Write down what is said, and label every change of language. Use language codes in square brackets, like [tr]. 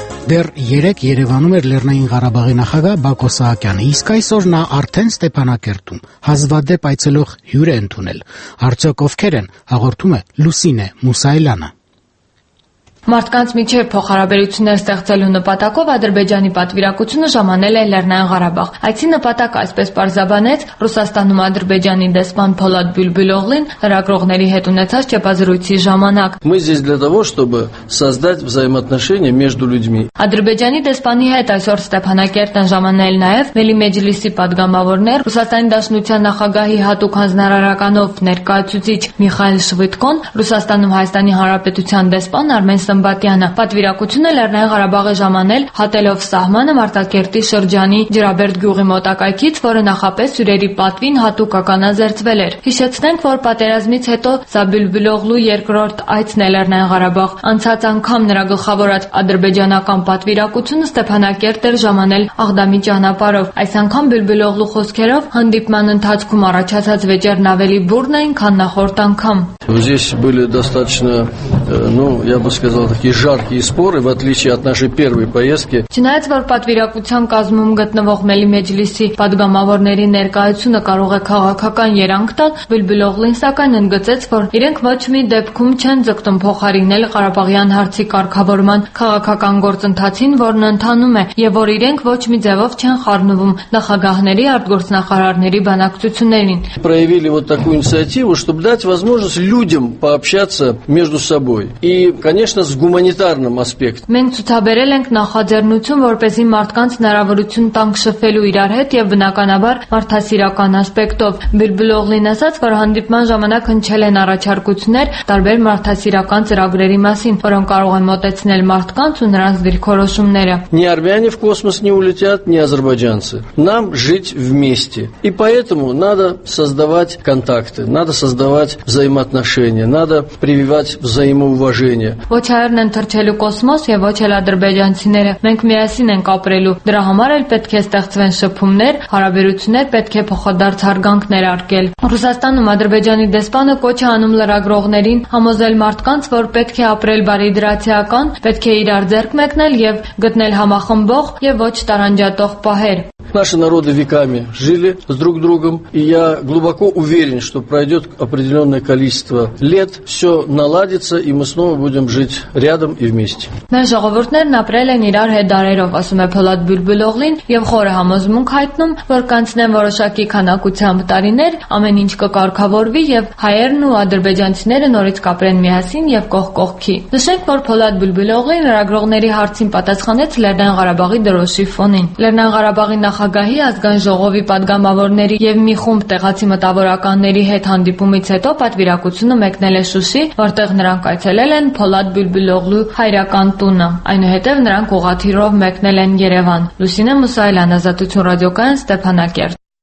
[hy] Դեռ 3 Երևանում էր Լեռնային Ղարաբաղի նախագահ Բակո Սահակյանը, իսկ այսօր նա արդեն Ստեփանակերտում հազվադեպ այցելող հյուր է ընդունել։ Արդյոք ովքեր են, հաղորդում է Լուսինե Մուսայելյանը։ Մարդկանց միջև փոխհարաբերություններ ստեղծելու նպատակով Ադրբեջանի պատվիրակությունը ժամանել է Լեռնային Ղարաբաղ։ Այսի նպատակը, այսպես պարզաբանեց Ռուսաստանում Ադրբեջանի դեսպան Փոլադ Բյուլբյուլոգլին հրագրողների հետ ունեցած ճեպազրույցի ժամանակ։ [ru] Мы здесь для того, чтобы создать взаимоотношения между людьми։ [hy] Ադրբեջանի դեսպանի հետ այսօր Ստեփանակերտն ժամանել նաև Վելի Մեջլիսի պատգամավորներ, Ռուսաստանի Դաշնության նախագահի հատուկ հանձնարարականով ներկայացուցիչ Միխայել Շվիդկոն, Ռուսաստանում Հայաստանի Հանրապետության դեսպան Արմեն Սմբատյանը։ Պատվիրակությունը Լեռնային Ղարաբաղի ժամանել հատելով սահմանը Մարտակերտի շրջանի Ջրաբերդ գյուղի մոտակայքից, որը նախապես հյուրերի պատվին հատուկ ականաձերծվել էր։ Հիշեցնենք, որ պատերազմից հետո Սաբյուլբյուլոգլու երկրորդ այցն է Լեռնային Ղարաբաղ։ Անցած անգամ նրա գլխավորած ադրբեջանական պատվիրակությունը Ստեփանակերտ էր ժամանել Աղդամի ճանապարհով։ Այս անգամ Բյուլբյուլոգլու խոսքերով հանդիպման ընթացքում առաջացած վեճերն ավելի բուրն էին, քան նախորդ անգամ։ [ru] Сказал, такие жаркие споры, в отличие от нашей первой поездки. [hy] Չնայած որ պատվիրակության կազմում գտնվող Մելի Մեջլիսի պատգամավորների ներկայությունը կարող է քաղաքական երանգ տալ, Բյուլբյուլոգլին սակայն ընդգծեց, որ իրենք ոչ մի դեպքում չեն ձգտում փոխարինել Ղարաբաղյան հարցի կարգավորման քաղաքական գործընթացին, որն ընդհանում է, եւ որ իրենք ոչ մի ձևով չեն խառնվում նախագահների արտգործնախարարների բանակցություններին։ [ru] Проявили вот такую инициативу, чтобы дать возможность людям пообщаться между собой. И, конечно, с гуманитарным аспектом. [hy] Մենք ցուցաբերել ենք նախաձեռնություն, որպեսզի մարդկանց հնարավորություն տանք շփվելու իրար հետ եւ բնականաբար մարդասիրական ասպեկտով։ Բիլբլողին ասաց, որ հանդիպման ժամանակ հնչել են առաջարկություններ տարբեր մարդասիրական ծրագրերի մասին, որոնք կարող են մոտեցնել մարդկանց ու նրանց դիրքորոշումները։ [ru] Ни армяне в космос не улетят, ни азербайджанцы. Нам жить вместе. И поэтому надо создавать контакты, надо создавать взаимоотношения, надо прививать взаимоуважение. [hy] Ոչ հայրն են թռչելու կոսմոս եւ ոչ էլ ադրբեջանցիները։ Մենք միասին ենք ապրելու։ Դրա համար էլ պետք է ստեղծվեն շփումներ, հարաբերություններ, պետք է փոխադարձ հարգանքներ արգել։ Ռուսաստանում ադրբեջանի դեսպանը կոչ է անում լրագրողներին համոզել մարդկանց, որ պետք է ապրել բարիդրացիական, պետք է իրար ձեռք մեկնել եւ գտնել համախմբող եւ ոչ տարանջատող պահեր։ [ru] Наши народы веками жили с друг другом, и я глубоко уверен, что пройдет определенное количество лет, все наладится, и мы снова будем жить рядом и вместе. [hy] Մեր ժողովուրդներն ապրել են իրար հետ դարերով, ասում է Փոլադ Բուլբուլոգլին, եւ խորը համոզմունք հայտնում, որ կանցնեն որոշակի քանակությամբ տարիներ, ամեն ինչ կկարգավորվի եւ հայերն ու ադրբեջանցիները նորից կապրեն միասին եւ կողք կողքի։ Նշենք, որ Փոլադ Բուլբուլոգլին լրագրողների հարցին պատասխանեց Լեռնային Ղարաբաղի դրոշի ֆոնին։ Լեռնային Ղարաբաղի նախագահի ազգային ժողովի պատգամավորների եւ մի խումբ տեղացի մտավորականների հետ հանդիպումից հետո պատվիրակությունը մեկնել է Շուշի, որտեղ նրանք այցելել են Փոլադ Բուլբուլոգլու հայրական տունը։ Այնուհետև նրանք ուղաթիռով մեկնել են Երևան։ Լուսինե Մուսայելյան, Ազատություն ռադիոկայան, Ստեփանակերտ։